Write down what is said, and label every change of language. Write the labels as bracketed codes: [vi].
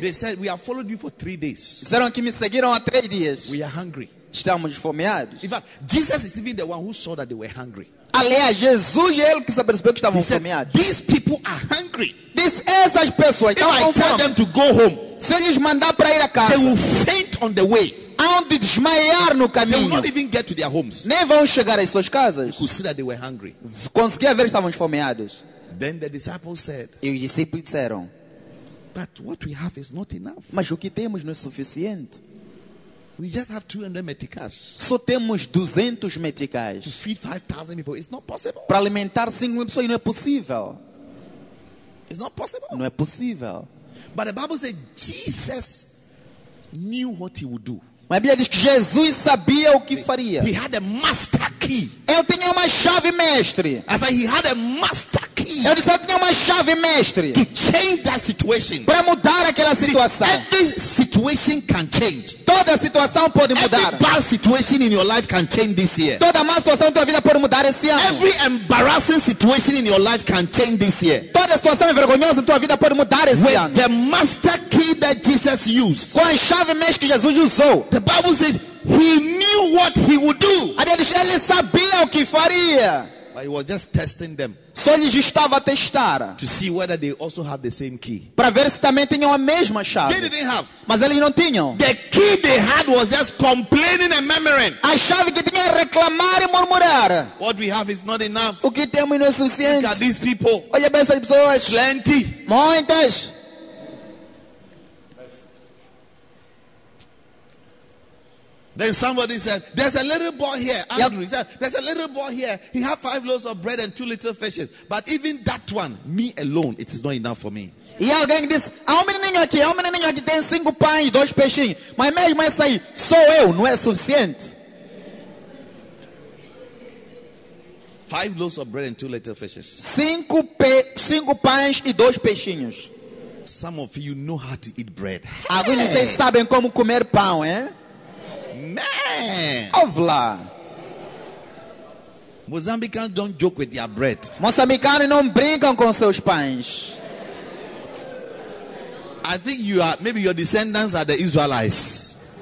[en] They said, "We have followed you for 3 days." [pt] Disseram que me seguiram há 3 dias. [en] We are hungry. [pt] Estamos fomeados. [en] In fact, Jesus is even the one who saw that they were hungry. [pt] Aliás, Jesus é ele que se apercebeu que estavam [en] fomeados. These people are hungry. [pt] Essas pessoas estão com fome. [en] If I tell them to go home, [pt] se eles mandar para ir a casa, [en] they will faint on the way. [pt] Aonde desmaiar no caminho. [en] They will not even get to their homes. [pt] Nem vão chegar às suas casas. [en] You could see that they were hungry. [pt] Conseguia ver que estavam esfomeados. [en] Then the disciples said, [pt] e os discípulos disseram, [en] but what we have is not enough. [pt] Mas o que temos não é suficiente. [en] We just have 200 meticais. [pt] Só temos 200 meticais. [en] To feed 5,000 people, it's not possible. [pt] Para alimentar 5,000 pessoas, não é possível. [en] It's not possible. [pt] Não é possível. [en] But the Bible said Jesus knew what he would do. [pt] Mas a Bíblia diz que Jesus sabia o que faria. [en] He had a master key. [pt] Ele tinha uma chave mestre. [en] I said, he had a master key. [pt] Ele disse, ele tinha uma chave mestre. [en] To change that situation. [pt] Para mudar aquela situação. [en] Every situation can change. [pt] Toda situação pode mudar. [en] Every bad situation in your life can change this year. [pt] Toda má situação da tua vida pode mudar esse ano. [en] Every embarrassing situation in your life can change this year. [pt] Toda situação vergonhosa da tua vida pode mudar esse [en] With [pt] ano. [en] The master key that Jesus used. [pt] Com a chave mestre que Jesus usou. [en] The Bible says he knew what he would do. [pt] Ele sabia o que faria. [en] But he was just testing them. [pt] Só lhes estava a testar. [en] To see whether they also have the same key. [pt] Para ver se também tinham a mesma chave. [en] They didn't have. [pt] Mas eles não tinham. [en] The key they had was just complaining and murmuring. [pt] A chave que tinha era reclamar e murmurar. [en] What we have is not enough. [pt] O que temos não é suficiente. [en] Look at these people. [pt] Olha bem essas pessoas. [en] Plenty. [pt] Muitas. [en] Then somebody said, there's a little boy here, Andrew. Yep. He said, there's a little boy here. He has 5 loaves of bread and 2 little fishes. But even that one, me alone, it is not enough for me. [pt] E alguém disse, há um menininho aqui, tem 5 pães, 2 peixinhos. Mas mesmo essa aí, sou eu, não é suficiente. [en] 5 loaves of bread and 2 little fishes. [pt] 5 pães e 2 peixinhos. [en] Some of you know how to eat bread. [pt] Alguns de vocês sabem como comer pão, hein? [en] Man, ovla. Mozambicans don't joke with their bread. [pt] Moçambicanos não brincam com seus pães. [en] I think you are. Maybe your descendants are the Israelites.